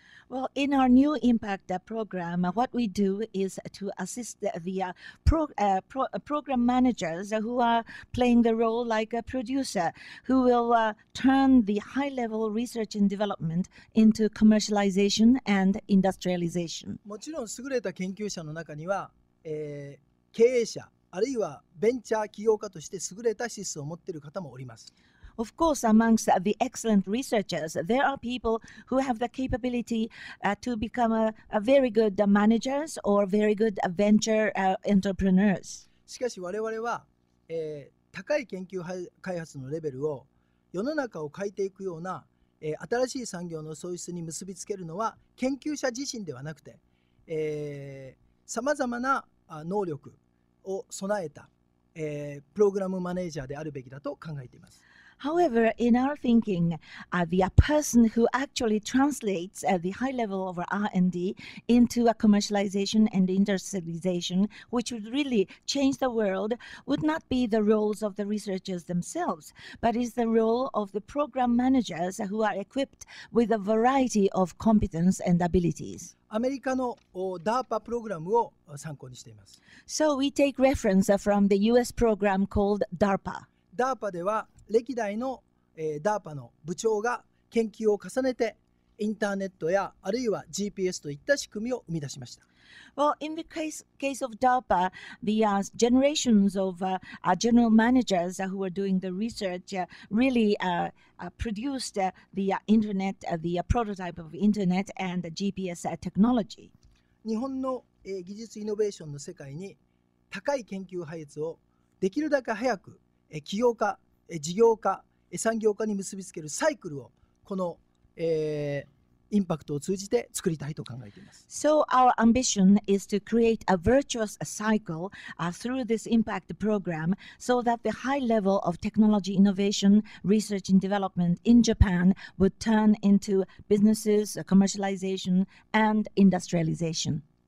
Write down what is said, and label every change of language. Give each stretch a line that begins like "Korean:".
English: Well, in our new impact program, what we do is to assist the program managers who are playing the role like a producer who will turn the high-level research and development into commercialization and industrialization.
Japanese: もちろん優れた研究者の中には経営者あるいはベンチャー起業家として優れた資質を持っている方もおります。
English: Of course, amongst the excellent researchers, there are people who have the capability to become a very good managers or very good venture entrepreneurs.
Japanese: しかし我々は、高い研究開発のレベルを世の中を変えていくような、新しい産業の創出に結びつけるのは研究者自身ではなくて、様々な能力を備えたプログラムマネージャーであるべきだと考えています。
English: However, in our thinking, the person who actually translates the high level of R&D into a commercialization and industrialization, which would really change the world, would not be the roles of the researchers themselves, but is the role of the program managers who are equipped with a variety of competence and abilities.
Japanese: アメリカの DARPA プログラムを参考にしています。
English: So we take reference from the US program called DARPA.
Japanese: DARPA では歴代の、DARPA の部長が研究を重ねてインターネットやあるいは GPS といった仕組みを生み出しました。
English: Well, in the case of DARPA, the generations of general managers who were doing the research really produced the internet, the prototype of internet and the GPS technology.
Japanese: 日本の、技術イノベーションの世界に高い研究配列をできるだけ早く、企業化事業化、産業化に結びつけるサイクルをこの、インパクトを通じて作りたいと考えています。
English: So our ambition is to create a virtuous cycle through this impact program so that the high level of technology innovation, research and development in Japan would turn into businesses, commercialization and industrialization.